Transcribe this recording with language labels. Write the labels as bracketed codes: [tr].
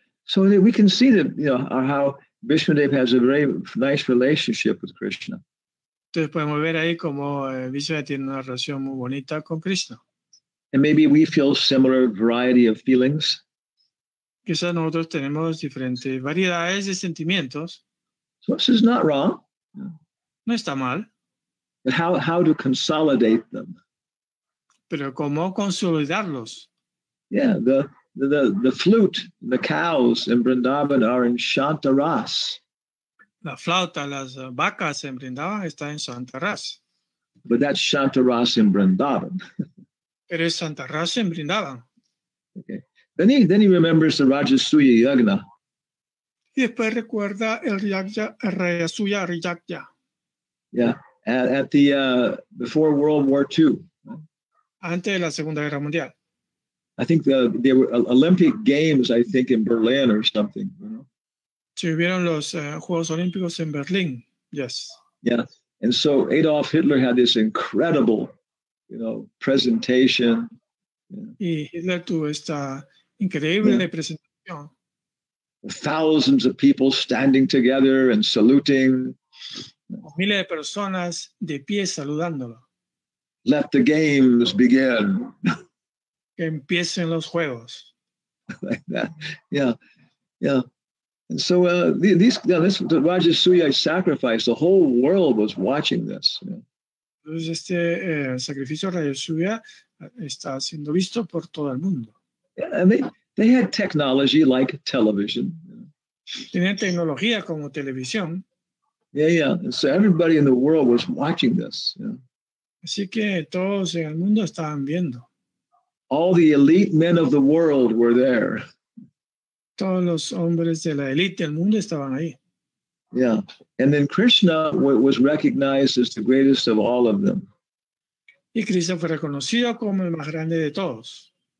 [en] So we can see that, you know, how Bhishma Dev has a very nice relationship with Krishna. [es] Entonces podemos ver ahí como Bhishma Dev tiene una relación muy bonita con Krishna. [en] And maybe we feel similar variety of feelings. [es] Quizás nosotros tenemos diferentes variedades de sentimientos. [en] So this is not wrong. [es] No está mal. [en] But how to consolidate them? [es] Pero cómo consolidarlos? [en] Yeah, the flute, the cows in Vrindavan are in Shantaras. [es] La flauta, las vacas en Vrindavan están en Shantaras. [en] But that's Shantaras in Vrindavan. [es] Pero es Shantaras en Vrindavan. [en] Okay. Then he remembers the Rajasuya Yagna. [es] Y después recuerda el Rajasuya Yagna. [en] Yeah, at the before World War II. [es] Antes de la Segunda Guerra Mundial. [en] I think there were Olympic Games, I think, in Berlin or something. [es] Se hubieron los Juegos Olímpicos en Berlín, yes. [en] Yeah, and so Adolf Hitler had this incredible, you know, presentation. [es] Y Hitler tuvo esta increíble presentación. [en] Thousands of people standing together and saluting. [es] Miles de personas de pie saludándolo. [en] Let the games begin. [es] Que empiecen los juegos. [en] Like that. Yeah. And so this Rajasuya sacrifice, the whole world was watching this. [es] Entonces este sacrificio Rajasuya está siendo visto por todo el mundo. [en] Yeah, and they had technology like television. [es] Tenían tecnología como televisión. [en] Yeah, yeah. And so everybody in the world was watching this. Yeah. [es] Así que todos en el mundo estaban viendo. [en] All the elite men of the world were there. [es] Todos los hombres de la élite del mundo estaban ahí. [en] Yeah. And then Krishna was recognized as the greatest of all of them. [es] Y Krishna fue reconocido como el más grande de todos.